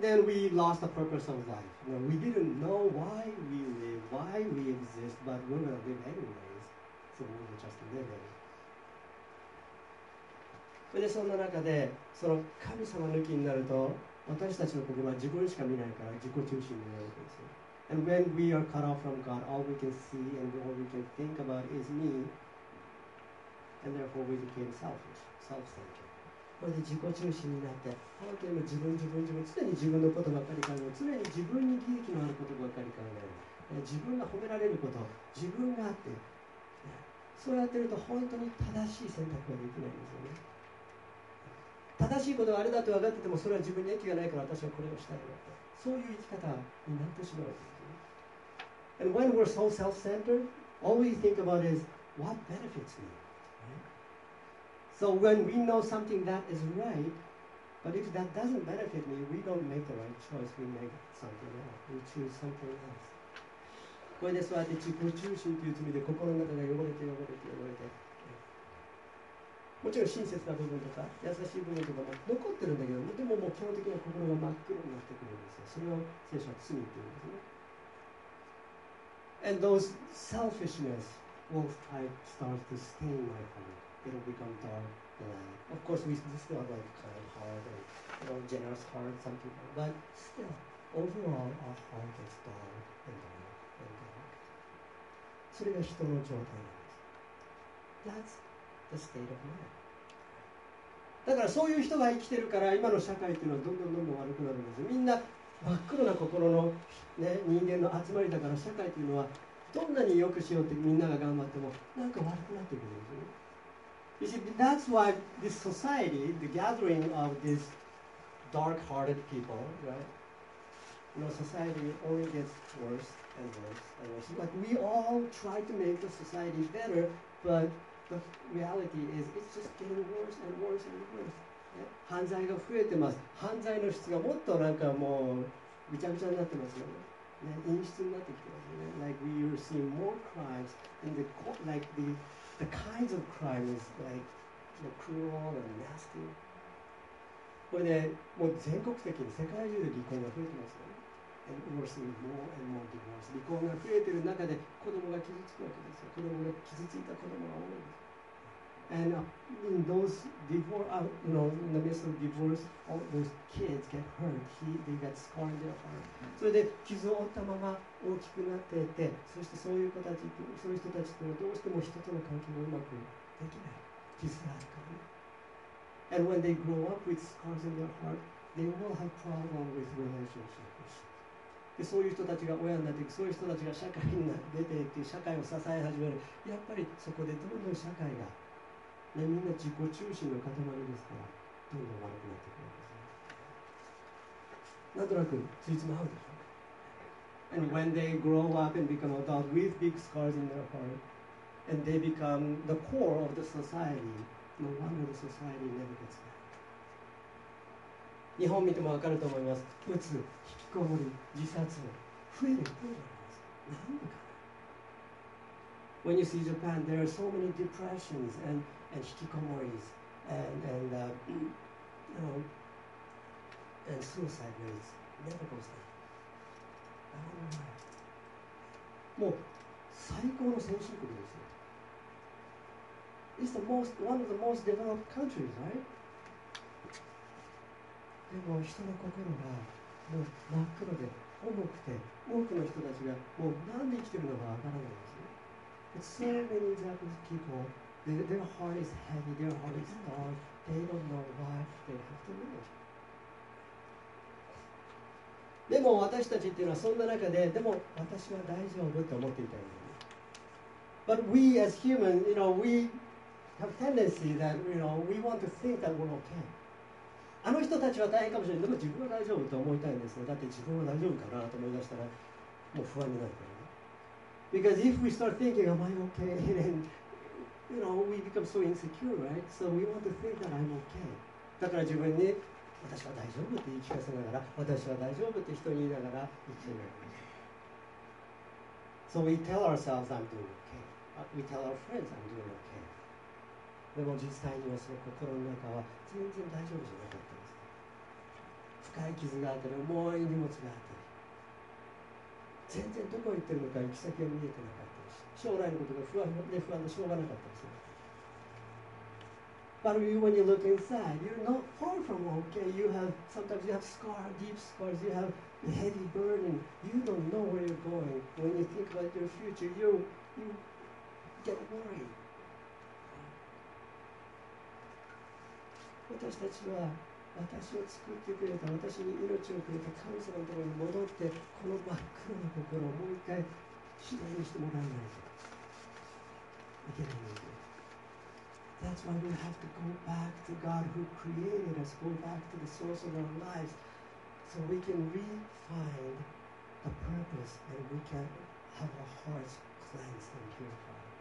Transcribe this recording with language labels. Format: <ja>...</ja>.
<en>And then we lost the purpose of life. Now, we didn't know why we live, why we exist, but we're going to live anyways. So we're just living.</en> <ja>で、そんな中で、その神様抜きになると、私たちの心は自分しか見ないから、自己中心になるんですよ。</ja> <en>And when we are cut off from God, all we can see and all we can think about is me. And therefore we became selfish, self-centered.</en> <ja>これで自己中心になって、本当に自分、常に自分のことばかり考える、常に自分に利益のあることばかり考える、自分が褒められること、自分があって、そうやってると本当に正しい選択ができないんですよね。正しいことがあれだと分かってても、それは自分に益がないから私はこれをしたいよ、そういう生き方になってしまう。</ja> <en>And when we're so self-centered, all we think about is what benefits me, right? So when we know something that is right, but if that doesn't benefit me, we don't make the right choice. We make something else. We choose something else.</en> <ja>これで、そうやって自己中心という罪で心の中が汚れて、もちろん親切な部分とか優しい部分とかも残ってるんだけど、でも、もう基本的には心が真っ黒になってくるんですよ。それを聖書は罪って言うんですね。</ja> <en>And those selfishness will start to stain my heart. It'll become dark and light. Of course, we still have like kind heart and you know, generous heart, something like that. But still, overall, our heart gets dark and dark and dark.</en> <ja>それが人の状態なんです。</ja> <en>That'sThe state of mind.</en> <ja>だからそういう人が生きてるから、今の社会っていうのはどんどん悪くなるんですよ。みんな真っ黒な心の、ね、人間の集まりだから、社会っていうのはどんなに良くしようってみんなが頑張ってもなんか悪くなってくるんですよ。</ja> <en>You see, that's why this society, the gathering of these dark-hearted people, right? You know, society only gets worse and worse and worse. But we all try to make the society better, butThe reality is, it's just getting worse and worse and worse.</en> <ja>犯罪が増えてます。犯罪の質がもっとなんかもうぐちゃぐちゃになってますよね。ね、陰湿になってきてますよね。</ja> <en>Like we are seeing more crimes, and the like the kinds of crimes like the cruel and nasty.</en> <ja>これで、もう全国的に世界中で離婚が増えてますよね。</ja> <en>And we're seeing more and more divorce.</en> <ja>離婚が増えている中で子供が傷つくわけですよ。子供が傷ついた子供が多いです。</ja> <en>And in those divorce, you know, in the midst of divorce, all those kids get hurt. They get scarred their heart. So they</en> <ja>傷を負ったまま大きくなっていて、そしてそういう子たち、そういう人たちとどうしても人との関係もうまくできない。傷があるからね。</ja> <en>And when they grow up with scars in their heart, they will have problems with relationships.</en> <ja>でそういう人たちが親になっていく、そういう人たちが社会に出ていって社会を支え始める。やっぱりそこでどんどん社会がね、みんな自己中心の塊ですから、どんどん悪くなってくるんですね。なんとなく、ついつも合うでしょ。</ja> <en>And when they grow up and become adult with big scars in their heart, and they become the core of the society, no wonder the society never gets back.</en> <ja>日本見てもわかると思います。うつ、引きこもり、自殺、増えるんです。なんでかな。</ja> <en>When you see Japan, there are so many depressions andand hikikomoris, and suicide rates never goes down. I wonder why.</en> <ja>もう最高の先進国ですよ。</ja> <en>It's the most, one of the most developed countries, right?</en> <ja>でも人の心がもう真っ黒で重くて、多くの人たちがもう何で生きてるのかわからないんですね。</ja> <en>But so many Japanese people,their heart is heavy, their heart is dark, they don't know why they have to live.</en> <ja>でも私たちっていうのはそんな中で、でも私は大丈夫と思っていたよね。</ja> <en>But we as humans, you know, we have tendency that, you know, we want to think that we're okay.</en> <ja>あの人たちは大変かもしれない、でも自分は大丈夫と思いたいんですよ。だって自分は大丈夫かなと思い出したら、もう不安になるからね。</ja> <en>Because if we start thinking, am I okay? Then,You know, we become so insecure, right? So we want to think that I'm okay.</en> <ja>だから自分に私は大丈夫って言い聞かせながら、私は大丈夫って人に言いながら生きている。</ja> <en>So we tell ourselves I'm doing okay. We tell our friends I'm doing okay.</en> <ja>でも実際にはその心の中は全然大丈夫じゃなかったんです。深い傷があったり、重い荷物があったり、全然どこ行ってるのか行き先が見えてなかった。将来のことが不安でしょうがなかったんですよ。</ja> <en>But you, when you look inside, you're not far from okay. You have, sometimes you have scars, deep scars, you have a heavy burden. You don't know where you're going. When you think about your future, you get worried.</en> <ja>私たちは私を作ってくれた、私に命をくれた神様のところに戻って、この真っ黒な心をもう一回指導にしてもらえないと。</ja> <en>That's why we have to go back to God who created us, go back to the source of our lives, so we can re-find the purpose and we can have our hearts cleansed and purified.</en>